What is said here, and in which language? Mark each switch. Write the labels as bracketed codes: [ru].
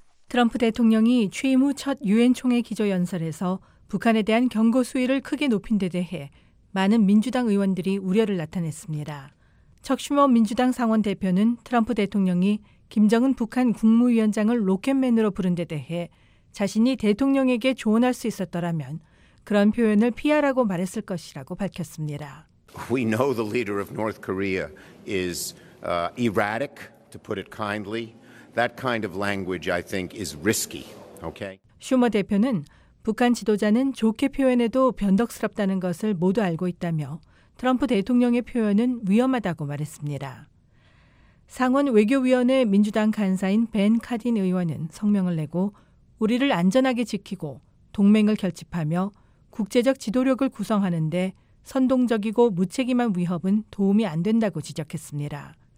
[ko] 트럼프 대통령이 취임 후 첫 유엔 총회 기조연설에서 북한에 대한 경고 수위를 크게 높인 데 대해 많은 민주당 의원들이 우려를 나타냈습니다. 척 슈머 민주당 상원 대표는 트럼프 대통령이 김정은 북한 국무위원장을 로켓맨으로 부른 데 대해 자신이 대통령에게 조언할 수 있었더라면 그런 표현을 피하라고 말했을 것이라고 밝혔습니다. [en] We know the leader of North Korea is erratic, to put it kindly. That kind of language, I think, is risky. Okay. [ko] 슈머 대표는 북한 지도자는 좋게 표현해도 변덕스럽다는 것을 모두 알고 있다며 트럼프 대통령의 표현은 위험하다고 말했습니다. 상원 외교위원회 민주당 간사인 벤 카딘 의원은 성명을 내고 우리를 안전하게 지키고 동맹을 결집하며 국제적 지도력을 구성하는데 선동적이고 무책임한 위협은 도움이 안 된다고 지적했습니다.